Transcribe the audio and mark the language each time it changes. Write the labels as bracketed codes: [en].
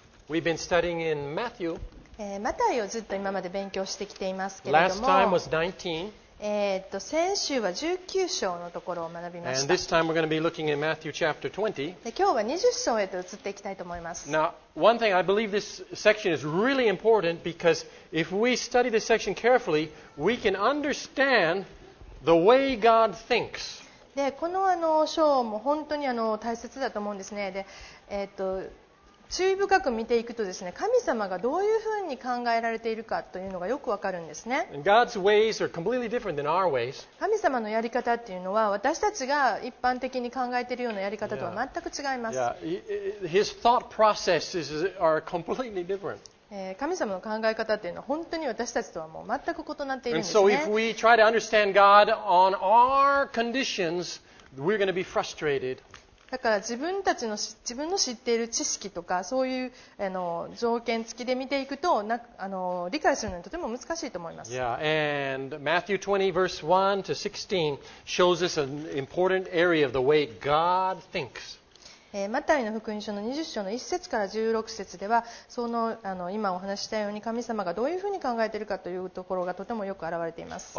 [en] We've been studying in Matthew. [ja] マタイをずっと今まで勉強してきていますけれども、 [en] Last time was 19. [ja] 先週は19章のところを学びました。 [en] And this time we're going to be looking at Matthew chapter 20. [ja] で、今日は20章へと移っていきたいと思います。 [en] Now, one thing I believe this section is really important because if we study this section carefully, we can understand the way God thinks. [ja] でこの章も本当に大切だと思うんですね。で、注意深く見ていくとですね、神様がどういうふうに考えられているかというのがよくわかるんですね。 [en] God's ways are completely different than our ways. [ja] 神様のやり方っていうのは私たちが一般的に考えているようなやり方とは全く違います。 [en] His thought processes are completely different. [ja] 神様の考え方というのは本当に私たちとはもう全く異なっているんですね。 [en] So if we try to understand God on our conditions, we're going to be frustrated. [ja] だから自分の知っている知識とかそういう条件付きで見ていくと理解するのにとても難しいと思います。 [en] Yeah, and Matthew 20 verse 1 to 16 shows us an important area of the way God thinks. [ja] マタイの福音書の20章の1節から16節ではその今お話したように神様がどういうふうに考えているかというところがとてもよく表れています。